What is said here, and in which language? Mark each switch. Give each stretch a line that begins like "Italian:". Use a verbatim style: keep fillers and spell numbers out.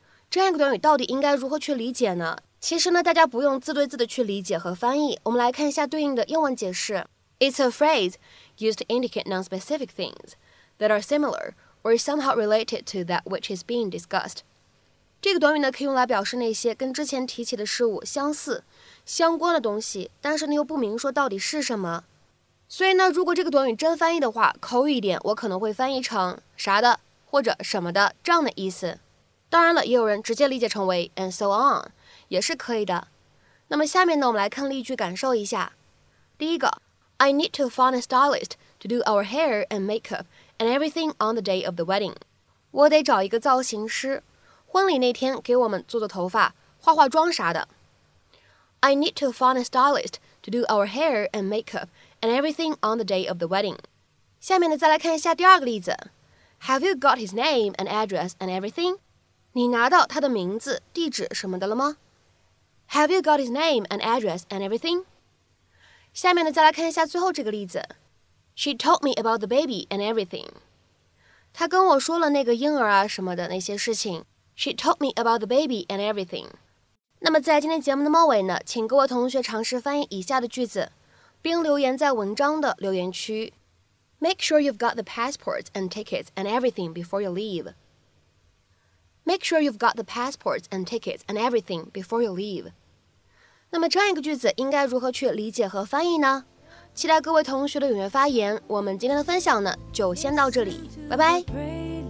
Chinese: 这样一个短语到底应该如何去理解呢？其实呢，大家不用字对字的去理解和翻译，我们来看一下对应的英文解释。
English: It's a phrase used to indicate non-specific things that are similar or somehow related to that which is being discussed。
Chinese: 这个短语呢，可以用来表示那些跟之前提起的事物相似、相关的东西，但是呢又不明说到底是什么。所以呢，如果这个短语真翻译的话，口语一点，我可能会翻译成啥的或者什么的这样的意思。当然了，也有人直接理解成为
English: and so on，
Chinese: 也是可以的。那么下面呢，我们来看例句感受一下。第一个
English: ，I need to find a stylist to do our hair and makeup and everything on the day of the wedding。
Chinese: 我得找一个造型师。婚礼那天给我们做做头发、化化妆啥的。
English: I need to find a stylist to do our hair and makeup and everything on the day of the wedding。
Chinese: 下面呢，再来看一下第二个例子。
English: Have you got his name and address and everything？
Chinese: 你拿到他的名字、地址什么的了吗 ？
English: Have you got his name and address and everything？
Chinese: 下面呢，再来看一下最后这个例子。
English: She told me about the baby and everything。
Chinese: 她跟我说了那个婴儿啊什么的那些事情。
English: She told me about the baby and everything。
Chinese: 那么在今天节目的末尾呢，请各位同学尝试翻译以下的句子，并留言在文章的留言区。
English: Make sure you've got the passports and tickets and everything before you leave. Make sure you've got the passports and tickets and everything before you leave.
Chinese: 那么这样一个句子应该如何去理解和翻译呢？期待各位同学的踊跃发言。我们今天的分享呢就先到这里，拜拜。